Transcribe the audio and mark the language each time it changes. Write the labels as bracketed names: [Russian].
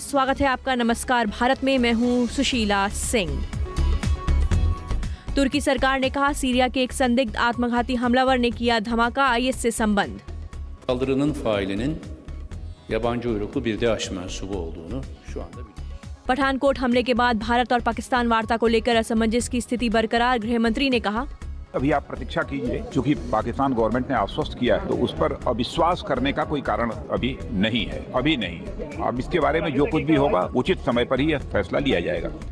[Hindi] स्वागत है आपका नमस्कार भारत में। मैं हूँ सुशीला सिंह। तुर्की सरकार ने कहा सीरिया के एक संदिग्ध आत्मघाती हमलावर ने किया धमाका, आईएस से संबंध। [Turkish] Saldırının failinin yabancı uyruklu bir DAEŞ mensubu olduğunu şu anda biliyoruz. [Hindi] Pathankot हमले के बाद भारत और पाकिस्तान वार्ता को लेकर असमंजस की स्थिति बरकरार, गृहमंत्री ने कहा। अभी आप प्रतीक्षा कीजिए, क्योंकि पाकिस्तान गवर्नमेंट ने आश्वस्त किया है तो उस पर अविश्वास करने का कोई कारण अभी नहीं है, अभी नहीं। अब इसके बारे में जो कुछ भी होगा उचित समय पर ही यह फैसला लिया जाएगा।